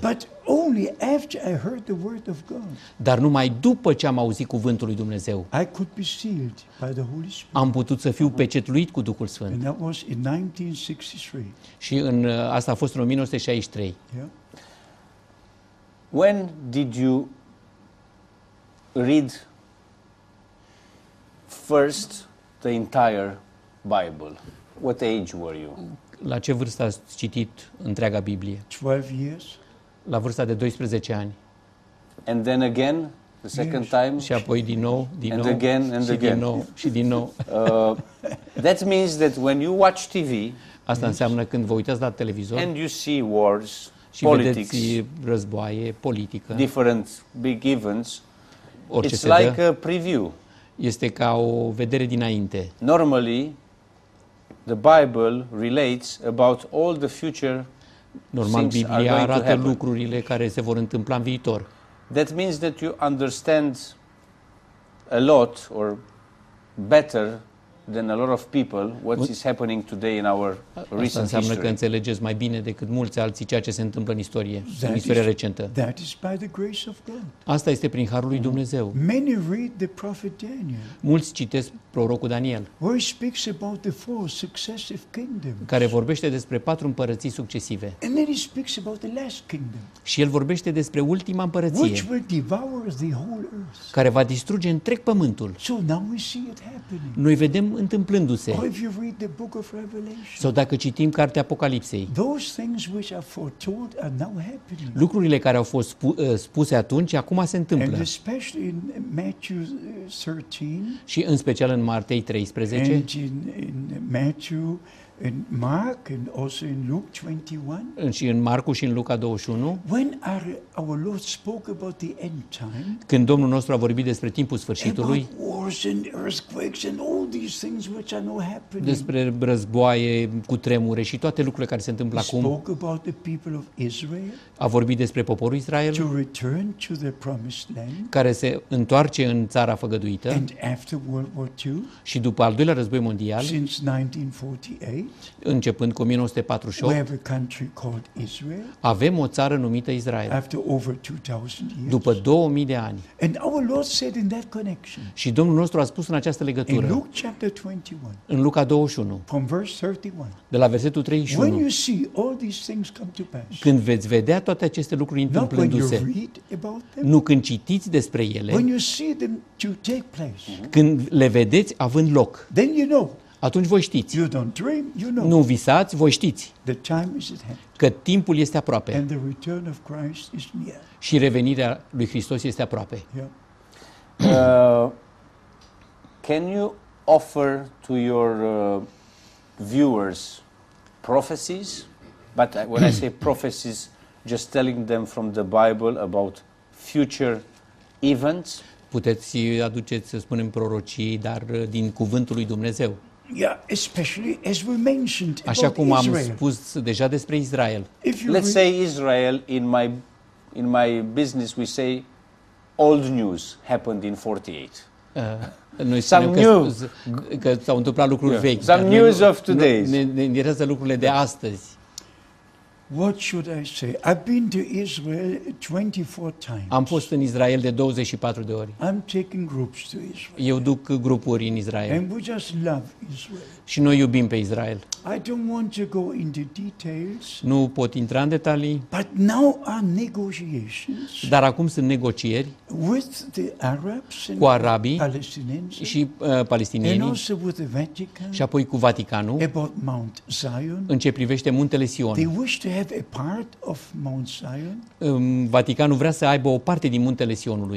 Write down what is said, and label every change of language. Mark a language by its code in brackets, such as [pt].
[en] But only after I heard the word of God. [ro] Dar numai după ce am auzit cuvântul lui Dumnezeu. [en] I could be sealed by the Holy Spirit. [ro] Am putut să fiu pecetluit cu Duhul Sfânt. [en] And that was in 1963. [ro] Și în asta a fost în 1963. [en] Yeah. When did you read first the entire Bible? What age were you? [ro] La ce vârstă ați citit întreaga Biblie? [en] 12 years. [ro] La vârsta de 12 ani. [en] And then again, the second time. [ro] Și apoi din nou, din nou. [en] And again, and again. [ro] Din nou, și din nou. [en] That means that when you watch TV. [ro] Asta înseamnă când vă uitați la televizor. [en] And you see wars, [ro] și [en] politics. [ro] Și vedeți războaie, politică. [en] Different big events. [ro] Orice [en] it's like a preview. [ro] Este ca o vedere dinainte. [en] Normally, the Bible relates about all the future. [ro] Normal, Biblia arată lucrurile care se vor întâmpla în viitor. [en] That means that you understand a lot or better than a lot of people what is happening today in our recent history. [ro] Asta înseamnă că înțelegeți mai bine decât mulți alții ceea ce se întâmplă în istorie, în istoria recentă. [en] That is by the grace of God. [ro] Asta este prin harul lui Dumnezeu. [en] Many read the prophet Daniel. [ro] Mulți citesc prorocul Daniel. [en] Where he speaks about the four successive kingdoms. [ro] Care vorbește despre patru împărății succesive. [en] And then he speaks about the last kingdom. [ro] Și el vorbește despre ultima împărăție. [en] Which will devour the whole earth. [ro] Care va distruge întreg pământul. [en] So now we see it happening. [ro] Noi vedem întâmplându-se. [en] Or if you read the book of Revelation, [ro] sau dacă citim cartea Apocalipsei. [en] Those things which are foretold are now happening. [ro] Lucrurile care au fost spuse atunci, acum se întâmplă. [en] And especially in Matthew 13, [ro] și în special în Matei 13. [en] And in Matthew In Mark and also in Luke 21. [ro] Și în Marcu și în Luca 21. [en] When our Lord spoke about the end time. [ro] Când Domnul nostru a vorbit despre timpul sfârșitului. [en] Wars and earthquakes and all these things which are now happening. [ro] Despre războaie, cutremure și toate lucrurile care se întâmplă acum. [en] Spoke about the people of Israel. [ro] A vorbit despre poporul Israel. [en] To return to the promised land. [ro] Care se întoarce în țara făgăduită. [en] And after World War II. [ro] Și după al doilea război mondial. [en] Since 1948. [ro] Începând cu 1948, avem o țară numită Israel după 2000 de ani. [en] And our Lord said in that connection. [ro] Și Domnul nostru a spus în această legătură. [en] In Luke chapter 21. [ro] În Luca 21. [en] From verse 31. [ro] De la versetul 31. [en] When you see all these things come to pass. [ro] Când veți vedea toate aceste lucruri întâmplându-se. Nu când citiți despre ele. [en] When you see them to take place. [ro] Când le vedeți având loc. [en] Then you know. [ro] Atunci voi știți. [en] You don't dream, you know. [ro] Nu visați, voi știți. [en] The time is at hand. [ro] Că timpul este aproape. [en] And the return of Christ is near. [ro] Și revenirea lui Hristos este aproape. [en] Yeah. Can you offer to your viewers prophecies? But when I say prophecies, just telling them from the Bible about future events. [ro] Puteți aduceți, să spunem, prorocii, dar din cuvântul lui Dumnezeu. [en] Yeah, especially as we mentioned about [ro] Așa cum am [en] Israel. [ro] Spus deja despre Israel. [en] Let's say Israel in my business we say old news happened in 48. [ro] Noi spunem că s-au întâmplat lucruri vechi. [en] Some news of today. [ro] Ne interesează lucrurile de astăzi. [en] What should I say? I've been to Israel 24 times. [ro] Am fost în Israel de 24 de ori. [en] I'm taking groups to Israel. [ro] Eu duc grupuri în Israel. [en] And we just love Israel. [ro] Și noi iubim pe Israel. [en] I don't want to go into details. [ro] Nu pot intra în detalii. [en] But now are negotiations. [ro] Dar acum sunt negocieri. [en] With the Arabs and [ro] cu arabii și palestinienii. [en] And also with the Vatican. [ro] Și apoi cu Vaticanul. [en] About Mount Zion. [ro] În ce privește muntele Sion. [en] They wish to have a part of Mount Zion. [ro] Vaticanul vrea să aibă o parte din muntele Sionului.